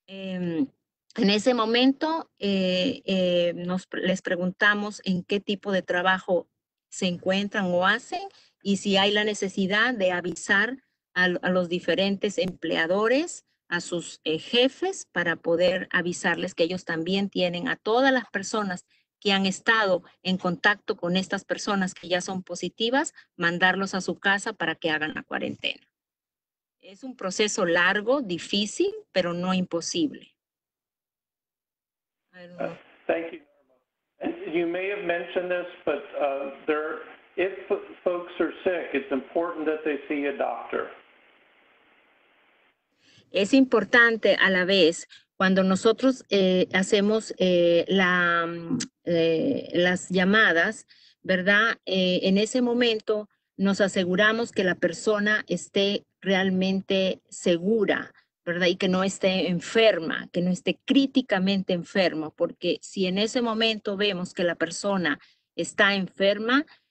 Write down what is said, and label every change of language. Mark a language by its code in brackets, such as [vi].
[es] En ese momento, les preguntamos en qué tipo de trabajo se encuentran o hacen y si hay la necesidad de avisar a los diferentes empleadores, a sus jefes, para poder avisarles que ellos también tienen a todas las personas que han estado en contacto con estas personas que ya son positivas, mandarlos a su casa para que hagan la cuarentena. Es un proceso largo, difícil, pero no imposible. [en] Thank you. And mention this, but if folks are sick, it's important that they see a doctor. [es] Es importante a la vez cuando nosotros hacemos las llamadas, ¿verdad? En ese momento nos aseguramos que la persona esté realmente segura, ¿verdad? Y que no esté enferma, que no esté críticamente enferma, porque si en ese momento vemos que la persona está enferma,